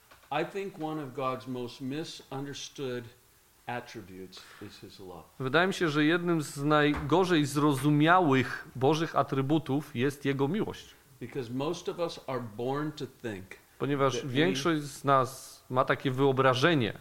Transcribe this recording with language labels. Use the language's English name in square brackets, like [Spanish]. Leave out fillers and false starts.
[English] I think one of God's most misunderstood attributes is His love. [Polish] Wydaje mi się, że jednym z najgorzej zrozumiałych Bożych atrybutów jest Jego miłość. [English] Because most of us are born to think. [Polish] Ponieważ większość z nas ma takie wyobrażenie,